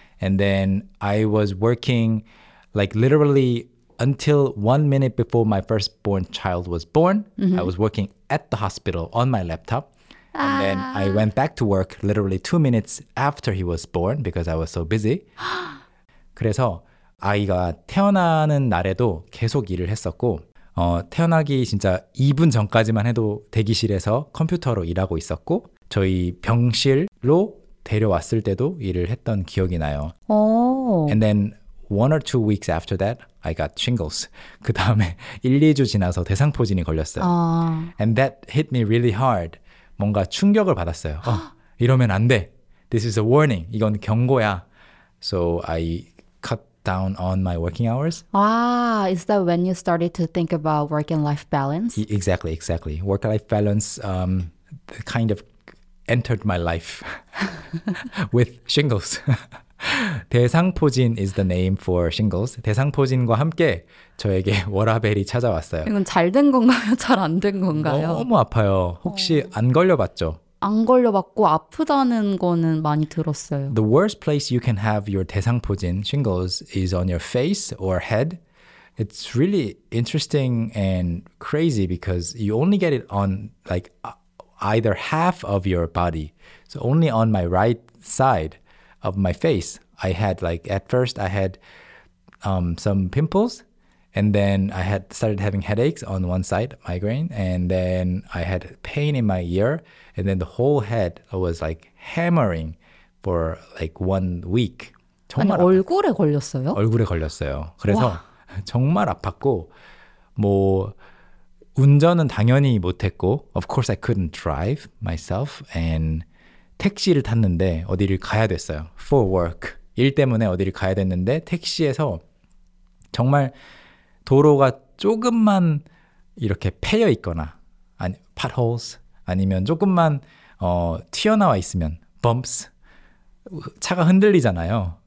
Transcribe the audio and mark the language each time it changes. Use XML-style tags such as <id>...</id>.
<en>And then I was working like literally until 1 minute before my firstborn child was born. I was working at the hospital on my laptop. And then I went back to work literally 2 minutes after he was born because I was so busy.</en> <ko>그래서 아이가 태어나는 날에도 계속 일을 했었고 태어나기 진짜 2분 전까지만 해도 대기실에서 컴퓨터로 일하고 있었고 저희 병실로 데려왔을 때도 일을 했던 기억이 나요.</ko> <en>Oh. And then one or two weeks after that, I got shingles.</en> <ko>그 다음에 1, 2주 지나서 대상포진이 걸렸어요.</ko> <en>And that hit me really hard.</en> <ko>뭔가 충격을 받았어요. 이러면 안 돼.</ko> <en>This is a warning.</en> <ko>이건 경고야.</ko> <en>So I cut down on my working hours. Ah, is that when you started to think about work and life balance? Exactly, exactly. Work-life balance, the kind of entered my life with shingles. 대상포진 is the name for shingles.</en> <ko>대상포진과 함께 저에게 워라벨이 찾아왔어요. 이건 잘 된 건가요? 잘 안 된 건가요? 너무 아파요. 혹시 안 걸려봤죠? 안 걸려봤고 아프다는 거는 많이 들었어요.</ko> <en>The worst place you can have your 대상포진, shingles, is on your face or head. It's really interesting and crazy because you only get it on like either half of your body. So only on my right side of my face, I had like at first I had some pimples, and then I had started having headaches on one side, migraine, and then I had pain in my ear, and then the whole head was like hammering for like 1 week.</en> <ko>정말 아니, 얼굴에 걸렸어요? 얼굴에 걸렸어요. 그래서 와. 정말 아팠고 뭐 운전은 당연히 못했고</ko> <en>of course I couldn't drive myself and</en> <ko>택시를 탔는데 어디를 가야 됐어요.</ko> <en>For work.</en> <ko>일 때문에 어디를 가야 됐는데 택시에서 정말 도로가 조금만 이렇게 패여 있거나 아니 potholes 아니면 조금만 튀어나와 있으면 bumps 차가 흔들리잖아요.</ko>